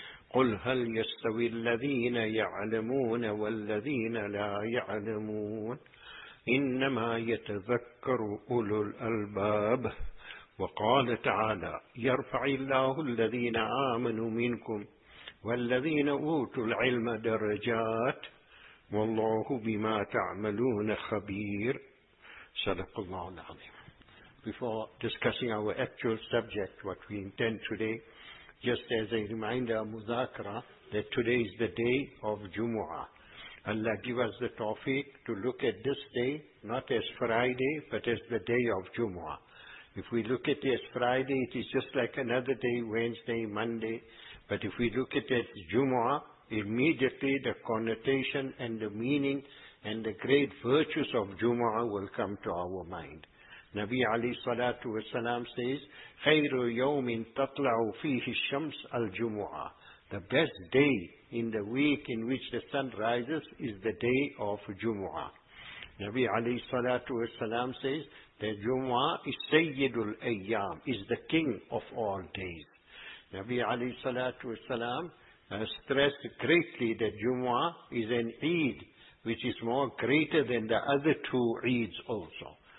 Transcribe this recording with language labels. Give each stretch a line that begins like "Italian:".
Arabic: قل هل يستوي الذين يعلمون والذين لا يعلمون إنما يتذكر أولو الألباب. وقال تعالى: يرفع الله الذين آمنوا منكم والذين أوتوا العلم درجات والله بما تعملون خبير. صدق الله العظيم.
English: Before discussing our actual subject, what we intend today, just as a reminder, muzakara, that today is the day of Jumu'ah. Allah give us the tawfiq to look at this day not as Friday, but as the day of Jumu'ah. If we look at it as Friday, it is just like another day, Wednesday, Monday. But if we look at it as Jumu'ah, immediately the connotation and the meaning and the great virtues of Jumu'ah will come to our mind. Nabi Ali Salatu Wasalam says,
Arabic: خَيْرُ يَوْمٍ تَطْلَعُ فِيهِ الشَّمْسِ الْجُمُعَةِ.
English: The best day in the week in which the sun rises is the day of Jumu'ah. Nabi Ali Salatu Wasalam says that Jumu'ah is Sayyidul Ayyam, is the king of all days. Nabi Ali Salatu Wasalam stressed greatly that Jumu'ah is an Eid which is more greater than the other two Eids also.